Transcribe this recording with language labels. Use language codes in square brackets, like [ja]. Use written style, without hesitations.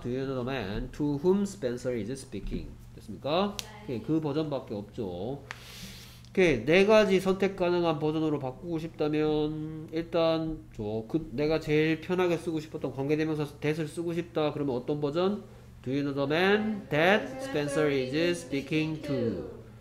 [en] Do you know the man to whom Spencer is speaking? [ko] 됐습니까? 네. 그 버전밖에 없죠. 네 가지 선택 가능한 버전으로 바꾸고 싶다면 일단 내가 제일 편하게 쓰고 싶었던 관계대명사 that을 쓰고 싶다 그러면 어떤 버전? [en] Do you know the man that Spencer is speaking to?